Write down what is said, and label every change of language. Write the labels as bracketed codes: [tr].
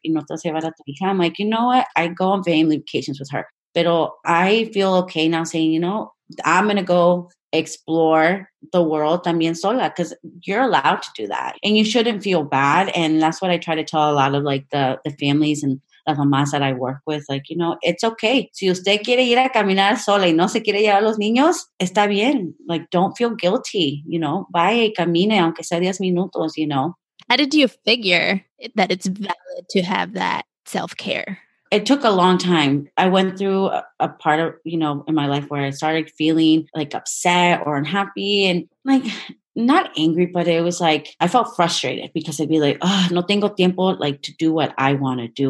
[es] Y no te llevar a tu hija. [en] I'm like, you know what? I go on family vacations with her. But I feel okay now saying, you know, I'm going to go explore the world [es] también sola [en] because you're allowed to do that and you shouldn't feel bad. And that's what I try to tell a lot of like the families and the mamás that I work with, like, you know, it's okay. [es] Si usted quiere ir a caminar sola y no se quiere llevar los niños, está bien. [en] Like, don't feel guilty, you know, [es] vaya y camine aunque sea 10 minutos, [en] you know. How did you figure that it's valid to have that self-care? It took a long time. I went through a part of, you know, in my life where I started feeling like upset or unhappy and like not angry, but it was like I felt frustrated because I'd be like, oh, [es] no tengo tiempo [en] like to do what I want to do.